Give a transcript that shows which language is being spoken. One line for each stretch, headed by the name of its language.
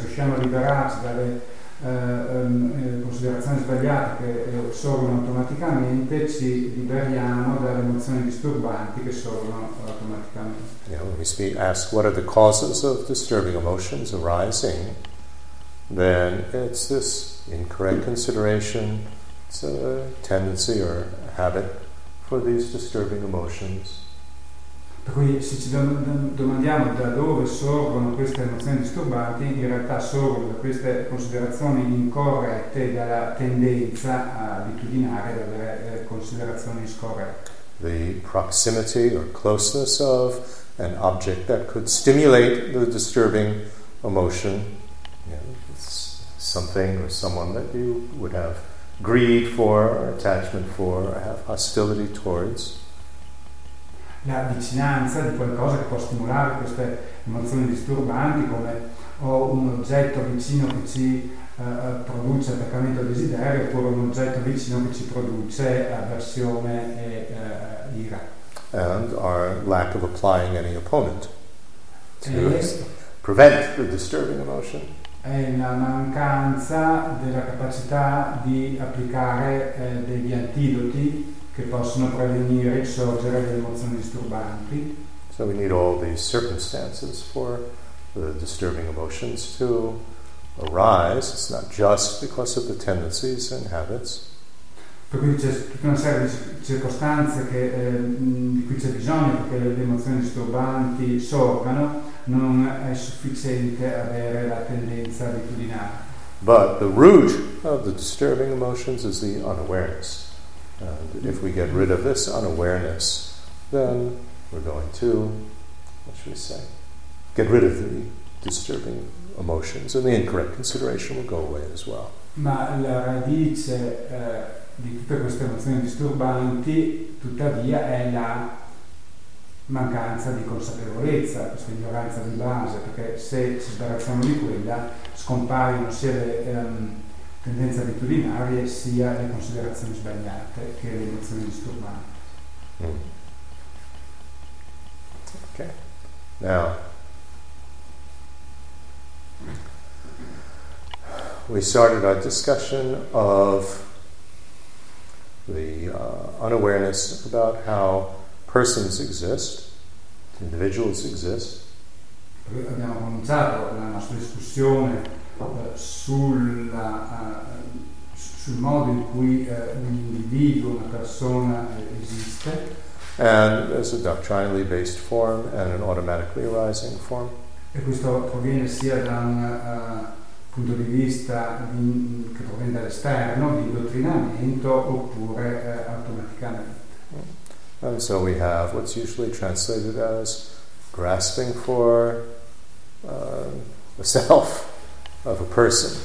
Italian: Se riusciamo a liberarci dalle considerazioni sbagliate che sorgono automaticamente, ci liberiamo dalle emozioni disturbanti che sorgono automaticamente.
English: Yeah, when we ask what are the causes of disturbing emotions arising, then it's this incorrect consideration, it's a tendency or habit for these disturbing emotions.
Italian: Per cui se ci domandiamo da dove sorgono queste emozioni disturbanti, in realtà sorgono da queste considerazioni incorrette, dalla tendenza abitudinare ad avere considerazioni scorrette.
English: The proximity or closeness of an object that could stimulate the disturbing emotion. Yeah, it's something or someone that you would have greed for, or attachment for, or have hostility towards.
Italian: La vicinanza di qualcosa che può stimolare queste emozioni disturbanti, come o un oggetto vicino che ci produce attaccamento al desiderio, oppure un oggetto vicino che ci produce avversione e ira.
English: And our lack of applying any opponent to prevent the disturbing emotion.
Italian: È la mancanza della capacità di applicare degli antidoti che possono prevenire il sorgere delle emozioni disturbanti.
English: So we need all these circumstances for the disturbing emotions to arise. It's not just because of the tendencies and habits.
Italian: Per cui c'è tutta una serie di circostanze che, di cui c'è bisogno perché le emozioni disturbanti sorgano. Non è sufficiente avere la tendenza abitudinale.
English: But the root of the disturbing emotions is the unawareness. And if we get rid of this unawareness, then we're going to, what should we say, get rid of the disturbing emotions, and the incorrect consideration will go away as well.
Italian: Ma la radice di tutte queste emozioni disturbanti, tuttavia, è la mancanza di consapevolezza, questa ignoranza di base, perché se ci sbarazziamo di quella, scompaiono sia le tendenze abitudinarie sia le considerazioni sbagliate che le emozioni disturbanti.
English: Okay. Now, we started our discussion of the unawareness about how persons exist, individuals exist.
Italian: Abbiamo cominciato la nostra discussione sul modo in cui un individuo, una persona esiste.
English: And as a doctrinally based form and an automatically arising form.
Italian: E questo proviene sia da un punto di vista che proviene dall'esterno, di indottrinamento, oppure automaticamente.
English: And so we have what's usually translated as grasping for a self of a person.